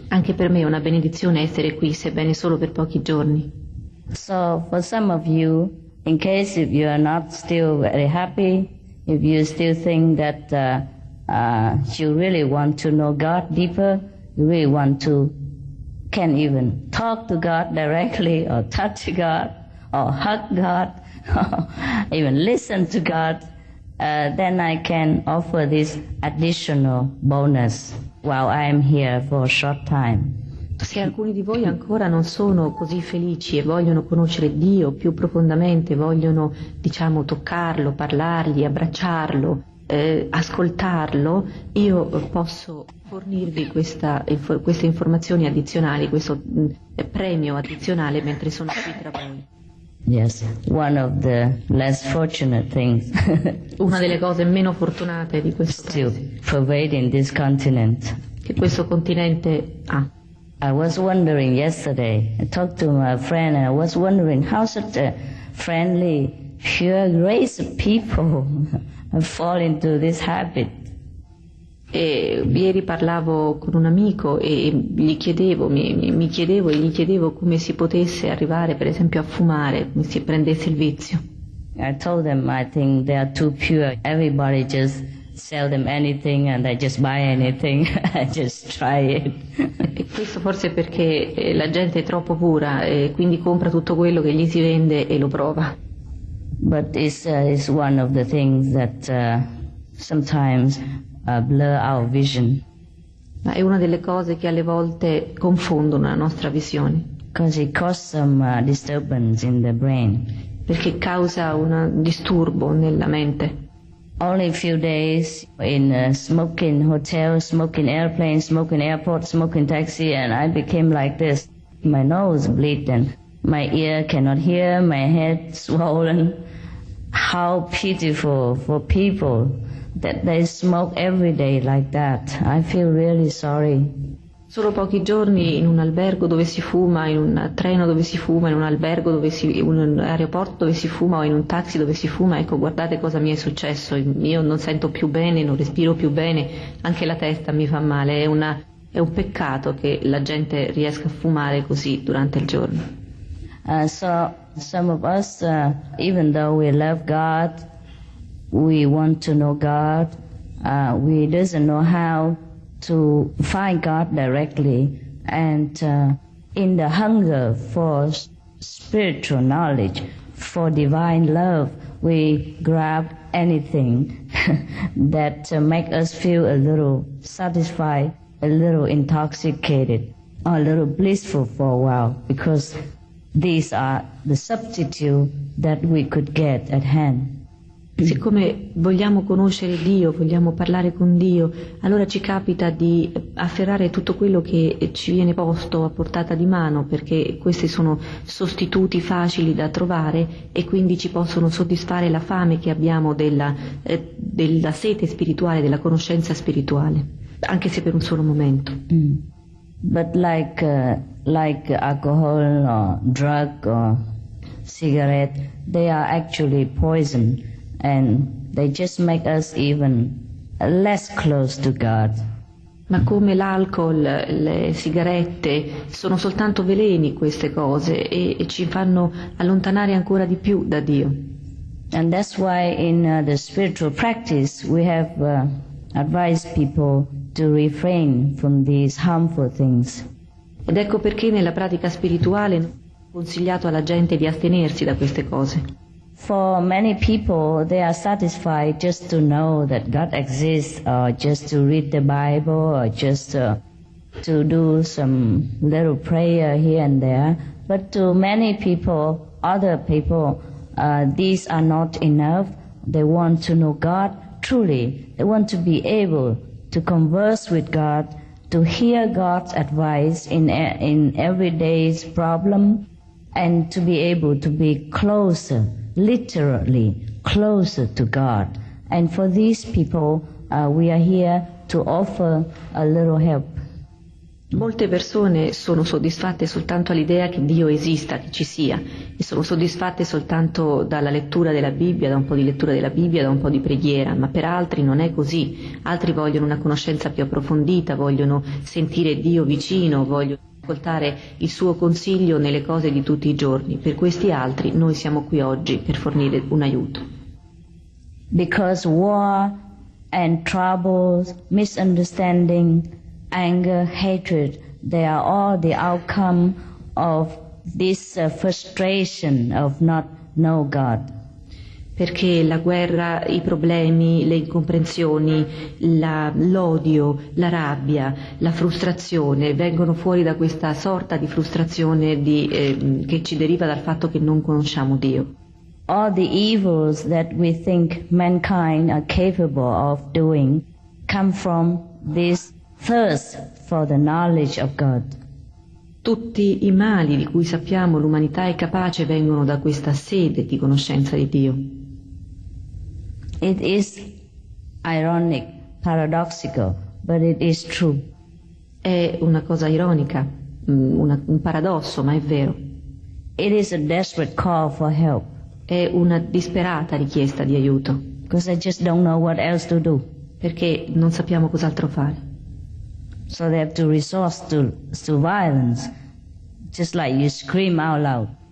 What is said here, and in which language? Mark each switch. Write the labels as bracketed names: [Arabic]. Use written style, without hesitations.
[Italian] Anche per me è una benedizione essere qui, sebbene solo per pochi giorni. [English] So for some of you, in case if you are not still very happy, if you still think that you really want to know God deeper, you really want to, can even talk to God directly or touch God or hug God, even listen to God then I can offer this additional bonus while I am here for a short time. [Italian] Se alcuni di voi ancora non sono così felici e vogliono conoscere Dio più profondamente, vogliono, diciamo, toccarlo, parlargli, abbracciarlo, ascoltarlo, io posso fornirvi queste informazioni addizionali, questo premio addizionale mentre sono qui tra voi. [English] Yes, one of the less fortunate things. [Italian] Una delle cose meno fortunate di questo [English] pervading this continent. [Italian] Che questo continente ha. [English] I was wondering yesterday, I talked to my friend and I was wondering how such a friendly, pure grace people fall into this habit. [Italian] E ieri parlavo con un amico e gli chiedevo, mi chiedevo e gli chiedevo come si potesse arrivare, per esempio, a fumare, come si prendesse il vizio. [English] I told them I think they are too pure. Everybody just sell them anything and they just buy anything. Just try it. [Italian] E questo forse perché la gente è troppo pura e quindi compra tutto quello che gli si vende e lo prova. [English] But it's one of the things that sometimes blur our vision. [Italian] Ma è una delle cose che alle volte confondono la nostra visione. [English] Because it causes some disturbance in the brain. [Italian] Perché causa un disturbo nella mente. [English] Only a few days in a smoking hotel, smoking airplane, smoking airport, smoking taxi, and I became like this. My nose bleed and my ear cannot hear, my head swollen. How pitiful for people that they smoke every day like that. I feel really sorry. [Italian] Solo pochi giorni in un albergo dove si fuma, in un treno dove si fuma, in un albergo dove si, in un aeroporto dove si fuma o in un taxi dove si fuma, ecco, guardate cosa mi è successo. Io non sento più bene, non respiro più bene, anche la testa mi fa male. È un peccato che la gente riesca a fumare così durante il giorno. [English] So some of us, even though we love God, we want to know God, we doesn't know how to find God directly, and in the hunger for spiritual knowledge, for divine love, we grab anything that make us feel a little satisfied, a little intoxicated, or a little blissful for a while, because these are the substitute that we could get at hand. [Italian] Siccome vogliamo conoscere Dio, vogliamo parlare con Dio, allora ci capita di afferrare tutto quello che ci viene posto a portata di mano, perché questi sono sostituti facili da trovare e quindi ci possono soddisfare la fame che abbiamo della sete spirituale, della conoscenza spirituale, anche se per un solo momento. [English] But like alcohol or drug or cigarette, they are actually poison. And they just make us even less close to God. [Italian] Ma come l'alcol, le sigarette, sono soltanto veleni queste cose e ci fanno allontanare ancora di più da Dio. [English] And that's why in the spiritual practice we have advised people to refrain from these harmful things. [Italian] Ed ecco perché nella pratica spirituale ho consigliato alla gente di astenersi da queste cose. [English] For many people, they are satisfied just to know that God exists, or just to read the Bible, or just to do some little prayer here and there. But to many people, other people, these are not enough. They want to know God truly. They want to be able to converse with God, to hear God's advice in everyday's problem, and to be able to be closer. Literally closer to God, and for these people we are here to offer a little help. [Italian] Molte persone sono soddisfatte soltanto all'idea che Dio esista, che ci sia, e sono soddisfatte soltanto dalla lettura della Bibbia, da un po' di lettura della Bibbia, da un po' di preghiera, ma per altri non è così. Altri vogliono una conoscenza più approfondita, vogliono sentire Dio vicino, vogliono ascoltare il suo consiglio nelle cose di tutti i giorni. Per questi altri noi siamo qui oggi per fornire un aiuto. [English] Because war and troubles, misunderstanding, anger, hatred, they are all the outcome of this frustration of not know God. [Italian] Perché la guerra, i problemi, le incomprensioni, l'odio, la rabbia, la frustrazione vengono fuori da questa sorta di frustrazione che ci deriva dal fatto che non conosciamo Dio. [English] All the evils that we think mankind are capable of doing come from this thirst for the knowledge of God. [Italian] Tutti i mali di cui sappiamo l'umanità è capace vengono da questa sete di conoscenza di Dio. [English] It is ironic, paradoxical, but it is true. [Italian] È una cosa ironica, un paradosso, ma è vero. [English] It is a desperate call for help. [Italian] È una disperata richiesta di aiuto. [English] Because I just don't know what else to do. [Italian] Perché non sappiamo cos'altro fare. [English] So they have to resort to violence, just like you scream out loud.